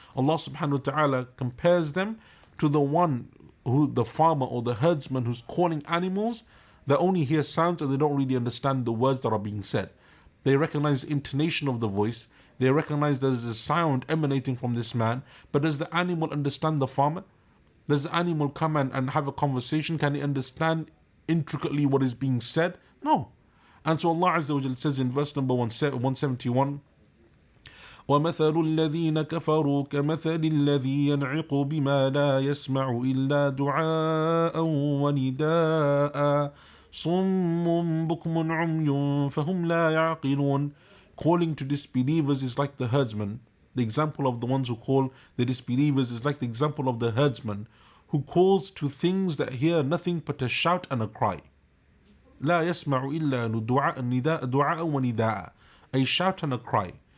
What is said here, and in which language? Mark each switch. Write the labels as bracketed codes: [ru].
[en] Allah subhanahu wa ta'ala compares them to the one who, the farmer or the herdsman who's calling animals that only hear sounds and they don't really understand the words that are being said. They recognize intonation of the voice. They recognize there's a sound emanating from this man. But does the animal understand the farmer? Does the animal come and have a conversation? Can he understand intricately what is being said? No. And so Allah Azza wa Jalla says in verse number 171, [ar] وَمَثَلُ الَّذِينَ كَفَرُوا كَمَثَلِ الَّذِي يَنْعِقُ بِمَا لَا يَسْمَعُ إِلَّا دُعَاءً وَنِدَاءً صُمٌّ بُكْمٌ عُمْيٌ فَهُمْ لَا يَعْقِلُونَ. [en] Calling to disbelievers is like the herdsman. The example of the ones who call the disbelievers is like the example of the herdsman who calls to things that hear nothing but a shout and a cry. [ar] لا يسمع إلا دعاء ونداء. [en] A shout and a cry.